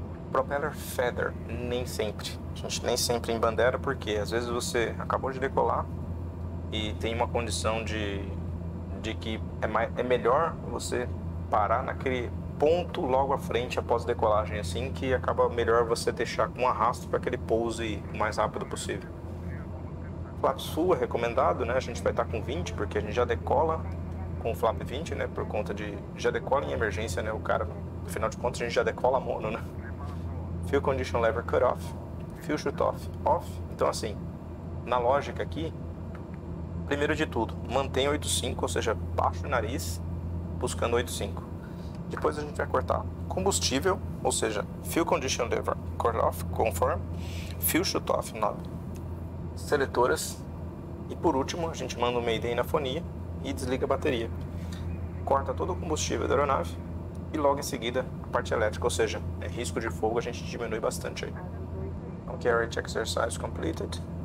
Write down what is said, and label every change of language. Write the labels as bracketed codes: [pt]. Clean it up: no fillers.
[en] propeller feather, [pt] nem sempre. A gente nem sempre em bandeira, porque às vezes você acabou de decolar e tem uma condição de que é melhor você parar naquele ponto logo à frente após a decolagem, assim que acaba melhor você deixar com arrasto para que ele pouse o mais rápido possível. [en] Flaps full [pt] é recomendado, né? A gente vai estar com 20, porque a gente já decola com o flap 20, né? Por conta de... já decola em emergência, né? O cara, afinal de contas, a gente já decola mono, né? [en] Fuel condition lever cut off, fuel shoot off, off. [pt] Então, assim, na lógica aqui, primeiro de tudo, mantém 8.5, ou seja, baixo o nariz, buscando 8.5. Depois a gente vai cortar combustível, ou seja, [en] fuel condition lever cut off, confirm, fuel shoot off, knob. [pt] Seletoras, e por último a gente manda o mayday na fonia e desliga a bateria, corta todo o combustível da aeronave e logo em seguida a parte elétrica, ou seja, é risco de fogo, a gente diminui bastante aí. [en] Ok, RH exercise completed.